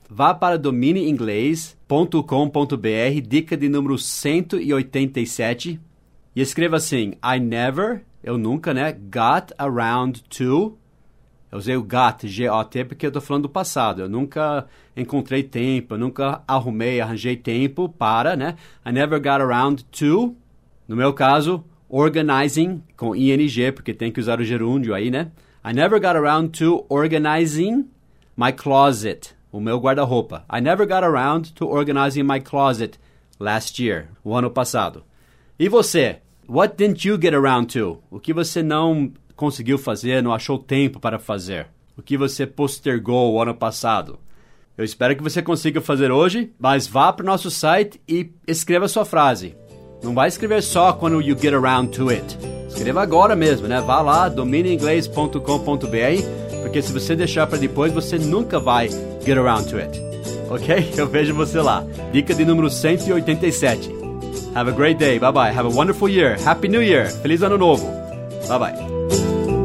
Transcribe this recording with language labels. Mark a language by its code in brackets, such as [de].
[pt] Vá para domineinglês.com.br, dica de número 187, e escreva assim, [en] I never, [pt] eu nunca, né, [en] got around to, [pt] eu usei o got, G-O-T, porque eu estou falando do passado, eu nunca encontrei tempo, eu nunca arranjei tempo para, né, [en] I never got around to, [pt] no meu caso, organizing, com ing, porque tem que usar o gerúndio aí, né, [en] I never got around to organizing my closet. [pt] O meu guarda-roupa. [en] I never got around to organizing my closet last year. [pt] O ano passado. E você? [en] What didn't you get around to? [pt] O que você não conseguiu fazer, não achou tempo para fazer? O que você postergou o ano passado? Eu espero que você consiga fazer hoje, mas vá para o nosso site e escreva sua frase. Não vai escrever só quando [en] you get around to it. [pt] Escreva agora mesmo, né? Vá lá, domineinglês.com.br, porque se você deixar para depois, você nunca vai [en] get around to it. [pt] Ok? Eu vejo você lá. Dica de número 187. [en] Have a great day. Bye-bye. Have a wonderful year. Happy New Year. [pt] Feliz Ano Novo. [en] Bye-bye.